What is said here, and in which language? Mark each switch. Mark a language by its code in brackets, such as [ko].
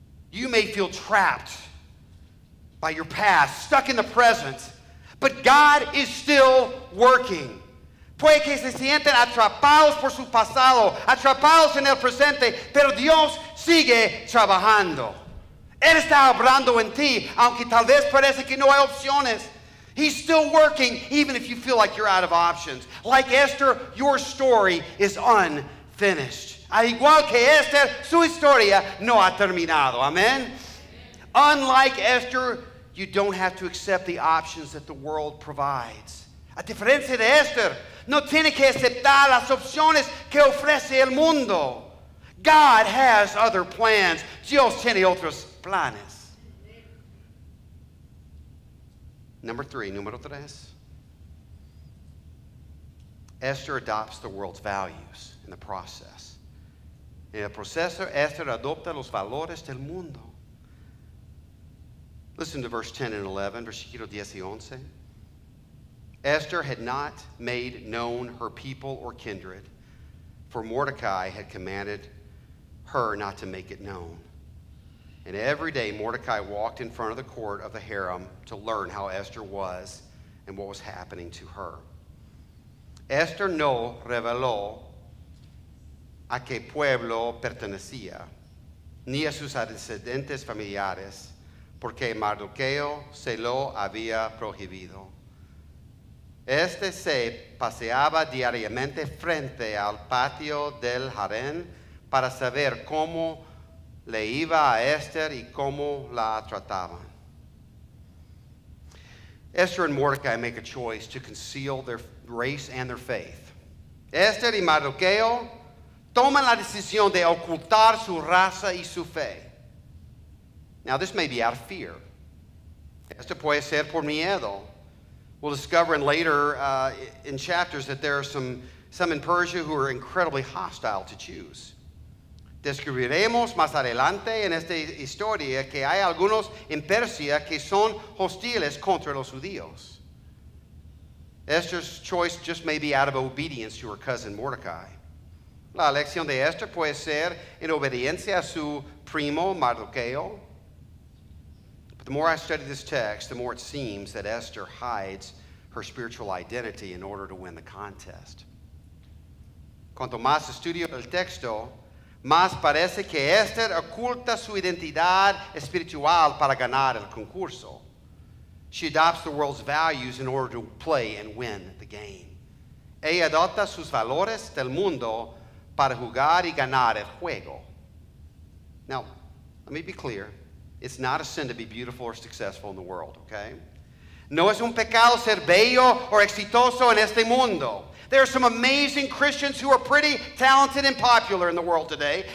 [en] You may feel trapped by your past, stuck in the present, but God is still working. [es] Puede que se sienten atrapados por su pasado, atrapados en el presente, pero Dios sigue trabajando. Él está obrando en ti, aunque tal vez parece que no hay opciones. [en] He's still working, even if you feel like you're out of options. Like Esther, your story is unfinished. [es] Al igual que Esther, su historia no ha terminado. [en] Amen? Unlike Esther, you don't have to accept the options that the world provides. [es] A diferencia de Esther, no tiene que aceptar las opciones que ofrece el mundo. [en] God has other plans. [es] Dios tiene otros planes. Número tres. [en] Esther adopts the world's values in the process. [es] En el proceso, Esther adopta los valores del mundo. [en] Listen to verse 10 and 11, [es] versículo 10 y 11. [en] Esther had not made known her people or kindred, for Mordecai had commanded her not to make it known. And every day Mordecai walked in front of the court of the harem to learn how Esther was and what was happening to her. [es] Esther no reveló a qué pueblo pertenecía, ni a sus antecedentes familiares, porque Mardoqueo se lo había prohibido. Este se paseaba diariamente frente al patio del harén para saber cómo le iba a Esther y cómo la trataban. [en] Esther and Mordecai make a choice to conceal their race and their faith. [es] Esther y Mardoqueo toman la decisión de ocultar su raza y su fe. [en] Now, this may be out of fear. [es] Esto puede ser por miedo. [en] We'll discover later in chapters that there are some in Persia who are incredibly hostile to Jews. [es] Descubriremos más adelante en esta historia que hay algunos en Persia que son hostiles contra los judíos. [en] Esther's choice just may be out of obedience to her cousin Mordecai. [es] La elección de Esther puede ser en obediencia a su primo Mardoqueo. [en] But the more I study this text, the more it seems that Esther hides her spiritual identity in order to win the contest. [es] Cuanto más estudio el texto, más parece que Esther oculta su identidad espiritual para ganar el concurso. [en] She adopts the world's values in order to play and win the game. [es] Ella adopta sus valores del mundo para jugar y ganar el juego. [en] Now, let me be clear. It's not a sin to be beautiful or successful in the world, okay? [es] No es un pecado ser bello o exitoso en este mundo. [en] There are some amazing Christians who are pretty talented and popular in the world today.